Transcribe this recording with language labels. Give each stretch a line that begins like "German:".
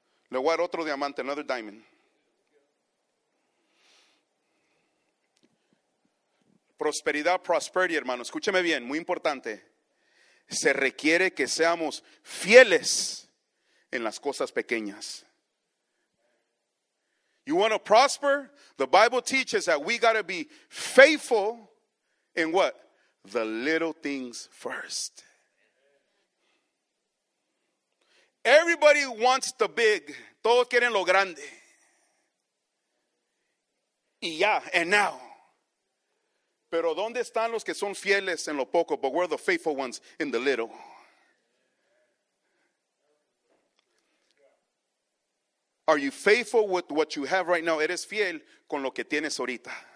Spanish: Le voy a dar otro diamante,
English: another diamond.
Spanish: Prosperidad, prosperity, hermano. Escúcheme bien, muy importante. Se requiere que seamos fieles en las cosas pequeñas.
English: You want to prosper? The Bible teaches that we got to be faithful in what? The little things first. Everybody wants the big.
Spanish: Todos quieren lo grande. Y ya,
English: and now.
Spanish: Pero ¿dónde están los que son fieles en lo poco?
English: But we're the faithful ones in the little. Are you faithful with what you have right now?
Spanish: ¿Eres fiel con lo que tienes ahorita?